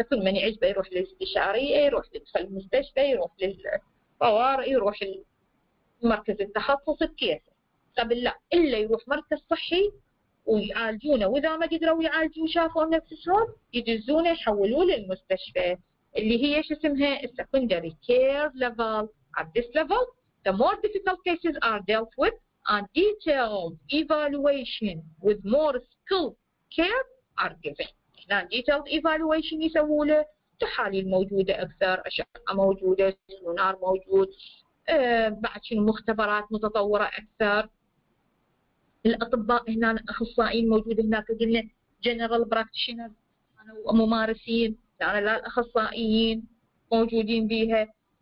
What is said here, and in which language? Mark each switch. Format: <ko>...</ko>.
<ar>كل من يعجب يروح للاستشارية, يروح يدخل المستشفى, يروح للطوارئ, يروح المركز التخصصي كيف قبل لا إلا يروح مركز صحي ويعالجونه, وإذا ما قدروا يعالجوا شافوا نفسهم يدزونه يحولوه للمستشفى اللي هي شو اسمها</ar> <en>secondary care level. At this level the more difficult cases are dealt with and detailed evaluation with more skilled care are given.</en> <ar>هنا</ar> <en>detailed evaluation</en> <ar>يسووله, تحاليل موجودة أكثر, أشعة موجودة, سونار موجود, بعد شنو مختبرات متطورة أكثر, الأطباء هنا أخصائيين موجود هناك, قلنا</ar> <en>general practitioners</en> <ar>كانوا ممارسين, لأن لا الأخصائيين موجودين بيها.</ar>